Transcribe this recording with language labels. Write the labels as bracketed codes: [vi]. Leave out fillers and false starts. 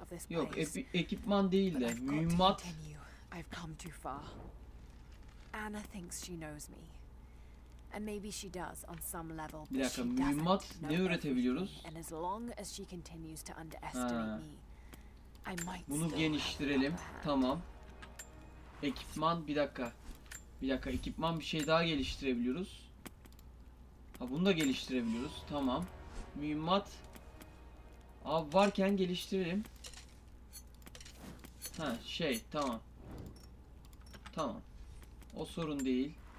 [tr] Yok, ekipman değil de mühimmat. [en] I've come too far. Anna thinks she knows me. And maybe she does on some level. [tr] Bir dakika, mühimmat ne üretebiliyoruz? [en] And as long as she continues to underestimate me, I might. [tr] Bunu genişletelim. Tamam. Ekipman bir dakika. Bir dakika, ekipman bir şey daha geliştirebiliyoruz. Ha, bunu da geliştirebiliyoruz. Tamam. Mühimmat. Abi varken geliştirelim. Ha şey, tamam. Tamam. O sorun değil.